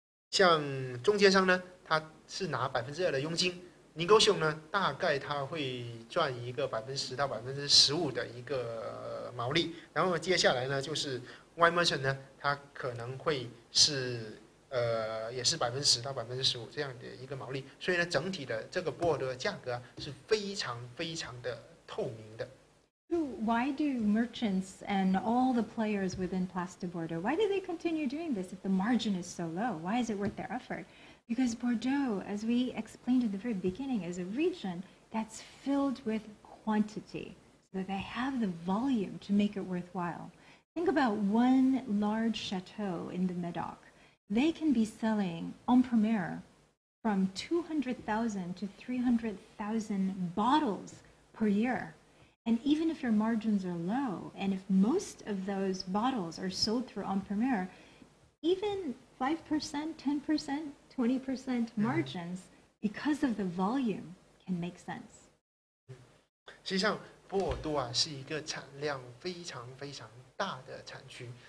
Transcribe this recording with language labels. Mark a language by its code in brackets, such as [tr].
[zh] 像中间商呢，他是拿2%的佣金 ，negotiation 呢，大概他会赚一个10%到15%的一个毛利。然后接下来呢，就是 wine merchant 呢，他可能会是也是10%到15%这样的一个毛利。所以呢，整体的这个波尔多的价格是非常非常的透明的。 [en] Why do merchants and all the players within Place de Bordeaux, why do they continue doing this if the margin is so low? Why is it worth their effort? Because Bordeaux, as we explained at the very beginning, is a region that's filled with quantity, so they have the volume to make it worthwhile. Think about one large chateau in the Medoc. They can be selling en premier from 200,000 to 300,000 bottles per year. And even if your margins are low, and if most of those bottles are sold through en premier, even 5%, 10%, 20% margins, because of the volume, can make sense. [zh] 实际上，波尔多啊是一个产量非常非常大的产区。